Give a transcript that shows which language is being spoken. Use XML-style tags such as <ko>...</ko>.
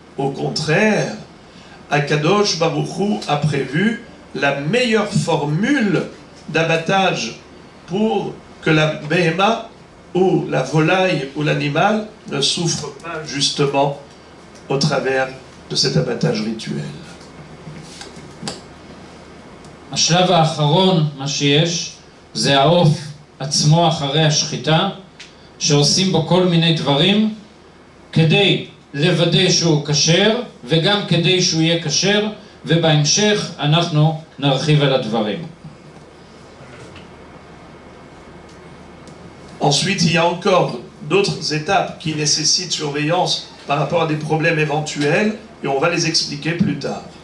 <fr>Au contraire, Akadosh Baruch Hu a prévu la meilleure formule d'abattage pour que la Behema ou la volaille ou l'animal ne souffre pas justement au travers de cet abattage rituel.</fr> <he>השלב האחרון, מה שיש, זה העוף עצמו אחרי השחיטה, שעושים בו כל מיני דברים כדי לוודא שהוא כשר, וגם כדי שהוא יהיה כשר, ובהמשך אנחנו נרחיב על הדברים.</he> <fr>Ensuite, il y a encore d'autres étapes qui nécessitent surveillance par rapport à des problèmes éventuels, et on va les expliquer plus tard.</fr>